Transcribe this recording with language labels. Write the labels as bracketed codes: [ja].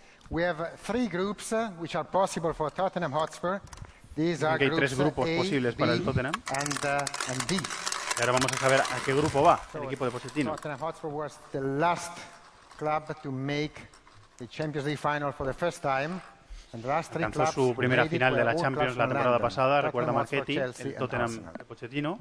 [en] We have three groups which are possible for Tottenham Hotspur. [es] Que hay tres grupos posibles para el Tottenham. [en] And [es] y ahora vamos a saber a qué grupo va el equipo de Pochettino. [en] Tottenham Hotspur was the last club to make the Champions League final for the first time. [es] Alcanzó su primera final de la Champions la temporada pasada, recuerda Marchetti, el Tottenham de Pochettino.